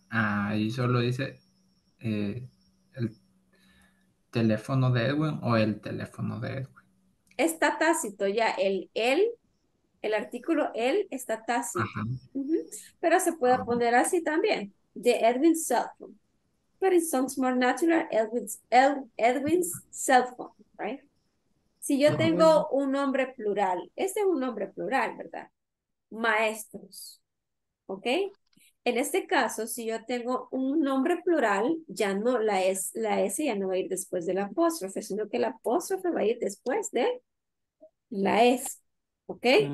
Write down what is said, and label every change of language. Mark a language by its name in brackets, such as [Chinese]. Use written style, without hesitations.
[Spanish] Ahí solo dice el teléfono de Edwin o el teléfono de Edwin. Está tácito ya, el artículo el está tácito. Ajá. Pero se puede poner así también, de [English] Edwin's cell phone. But it sounds more natural, Edwin's cell phone, right? [Spanish] Si yo tengo un nombre plural, este es un nombre plural, ¿verdad? Maestros, ¿ok? En este caso, si yo tengo un nombre plural, ya no la S ya no va a ir después del apóstrofe, sino que el apóstrofe va a ir después de la S, ¿ok?